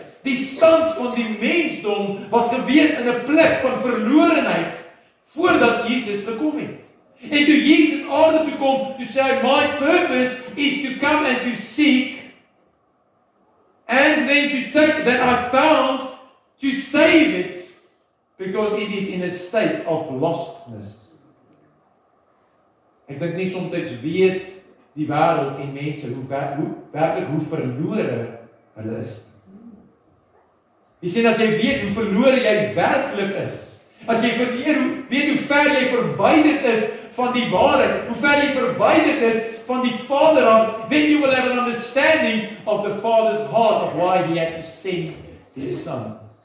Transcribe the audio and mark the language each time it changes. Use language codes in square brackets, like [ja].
[af] Die stand van die mensdom was gewees in 'n plek van verlorenheid voordat Jesus gekom het. En toe Jesus aarde toe kom, toe sê hy, [en] my purpose is to come and to seek and then to take that I found to save it because it is in a state of lostness. [af] Ek dink nie soms weet die wêreld en mense hoe verlore hulle is. Jy sien, as jy weet hoe verlore jy werkelijk is, as jy weet hoe ver jy verwyderd is van die ware, hoe ver jy verwyderd is van die Vader, [en] then you will have an understanding of the Father's heart of why he had to send his son.